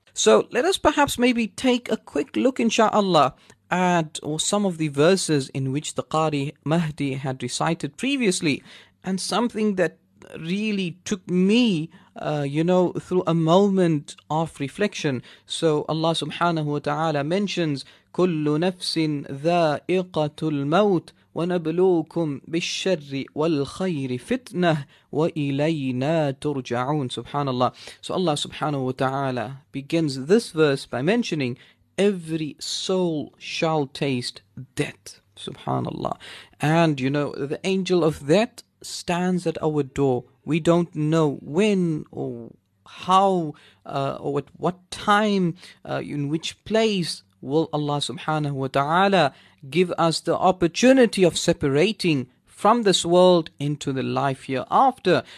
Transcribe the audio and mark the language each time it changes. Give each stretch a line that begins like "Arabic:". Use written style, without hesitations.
English: So let us perhaps maybe take a quick look, insha'Allah, at some of the verses in which the Qari Mahdi had recited previously. And something that really took me, through a moment of reflection. So Allah subhanahu wa ta'ala mentions,
Arabic: كُلُّ نَفْسٍ ذَائِقَةُ الْمَوْتِ وَنَبْلُوكُمْ بِالشَّرِّ وَالْخَيْرِ فِتْنَةِ وَإِلَيْنَا تُرْجَعُونَ. Subhanallah.
English: So Allah subhanahu wa ta'ala begins this verse by mentioning, every soul shall taste death. Subhanallah. And you know, the angel of death stands at our door. We don't know when or how or at what time, in which place will Allah subhanahu wa ta'ala give us the opportunity of separating from this world into the life hereafter.